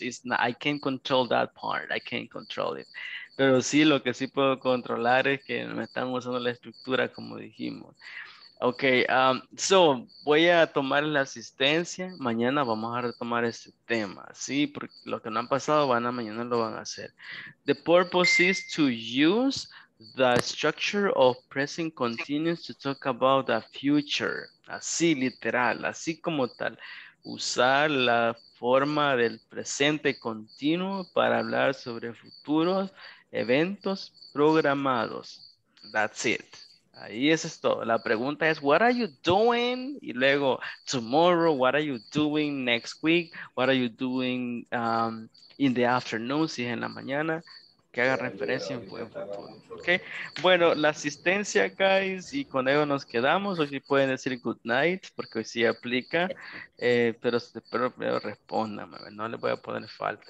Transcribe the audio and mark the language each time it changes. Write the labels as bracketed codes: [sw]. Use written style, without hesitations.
[en] It's not, I can't control that part. I can't control it. [es] Pero sí, lo que sí puedo controlar es que me están usando la estructura, como dijimos. Ok, so, voy a tomar la asistencia. Mañana vamos a retomar este tema. Sí, porque lo que no han pasado, van a mañana lo van a hacer. [en] The purpose is to use the structure of present continuous to talk about the future. [es] Así, literal, así como tal. Usar la forma del presente continuo para hablar sobre futuros eventos programados. [en] That's it. [es] Ahí eso es todo. La pregunta es, [en] what are you doing? [es] Y luego, [en] tomorrow, what are you doing next week? What are you doing in the afternoon? [es] Si es en la mañana, que haga referencia en buen futuro. Okay. Bueno, la asistencia, guys, y con ello nos quedamos. Hoy sí pueden decir [en] good night, [es] porque hoy sí aplica. Pero espero primero respóndame. No le voy a poner falta.